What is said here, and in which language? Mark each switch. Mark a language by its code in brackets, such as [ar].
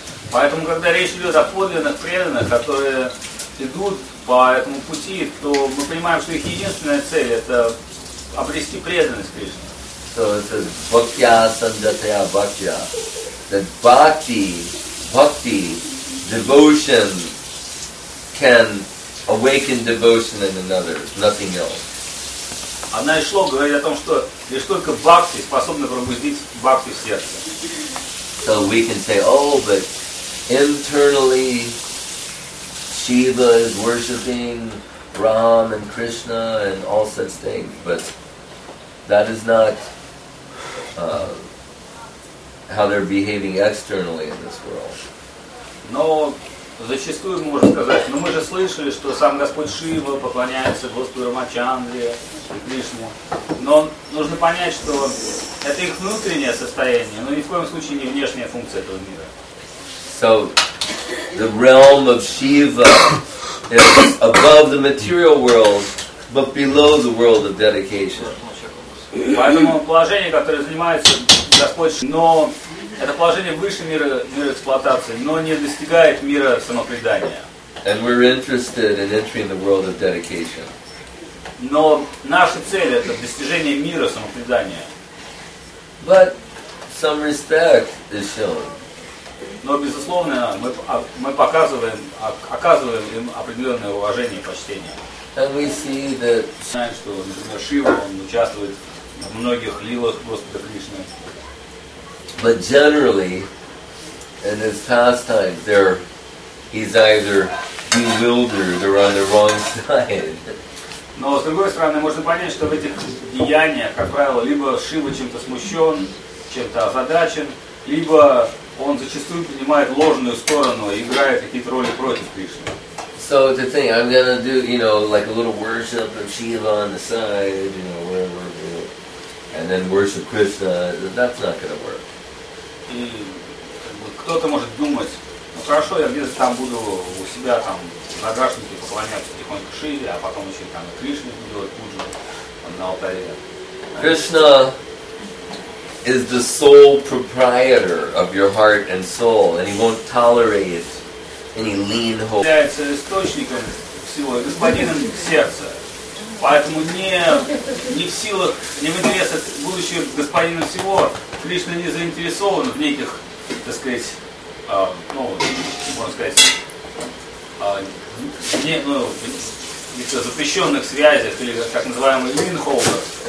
[ru] Поэтому, когда речь идет о подлинных преданных, которые идут по этому пути, то мы понимаем, что их единственная цель — это обрести преданность Кришне. [en] So it says [sa] bhaktya sandhataya bhaktya. [en] That bhakti, devotion can awaken devotion in another, nothing else. [ru] Она и шло говорит о том, что лишь только бхакти способны пробудить бхакти в сердце. [en] So we can say, oh, but internally Shiva is worshiping Ram and Krishna and all such things, but that is not how they're behaving externally in this world. [ru] Но зачастую мы можем сказать, но мы же слышали, что сам Господь Шива поклоняется Господу Рамачандре, Кришне. Но нужно понять, что это их внутреннее состояние, но ни в коем случае не внешняя функция этого мира. [en] So, the realm of Shiva is above the material world, but below the world of dedication. [ru] Поэтому положение, которое занимается Господь Шива, но это положение выше мира, мира эксплуатации, но не достигает мира самопредания. [en] And we're interested in entering the world of dedication. [ru] Но наша цель – это достижение мира самопредания. [en] But some respect is shown. [ru] Но, безусловно, мы показываем, оказываем им определенное уважение и почтение. [en] And we see that... [ru] Мы знаем, что, например, Шива, он участвует в многих лилах Господа Кришны. [en] But generally, in his pastimes, there he's either bewildered or on the wrong side. [ru] Но с другой стороны, можно понять, что в этих деяниях, как правило, либо Шива чем-то смущен, чем-то озадачен, либо он зачастую принимает ложную сторону и играет какие-то роли против Кришны. [en] So to think, I'm gonna do, you know, like a little worship of Shiva on the side, you know, whatever, and then worship Krishna. That's not gonna work. [ru] И кто-то может думать, ну хорошо, я где-то там буду у себя там на гаршнике поклоняться тихонько Шиве, а потом еще там и Кришне делать пуджу на алтаре. [en] Krishna is the sole proprietor of your heart and soul, and he won't tolerate any lean hope. [ru] Является источником всего, господином сердца. Поэтому не в силах, не в интересах будущего господина всего, Кришна не заинтересован в неких, так сказать, каких-то запрещенных связях, или так называемых линхолдер.